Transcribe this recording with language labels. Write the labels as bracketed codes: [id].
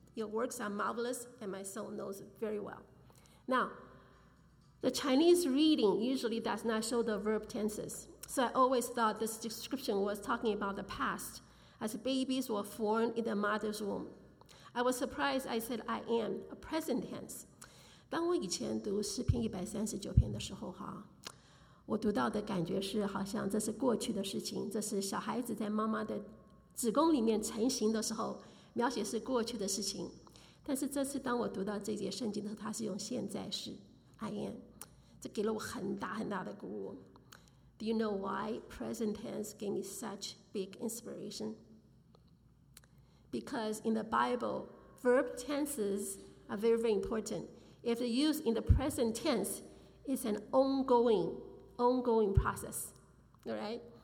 [en] Your works are marvelous and my soul knows very well. Now, the Chinese reading usually does not show the verb tenses. So I always thought this description was talking about the past, as babies were formed in the mother's womb. I was surprised, I said, I am, a present tense. [zh] 当我以前读诗篇139篇的时候，我读到的感觉是好像这是过去的事情，这是小孩子在妈妈的子宫里面成型的时候，描写是过去的事情。但是这次当我读到这节圣经的时候，它是用现在式 [en] I am. [zh] 这给了我很大很大的鼓舞。 [en] Do you know why present tense gave me such big inspiration? Because in the Bible, verb tenses are very, very important. If they're used in the present tense, it's an ongoing process, all right?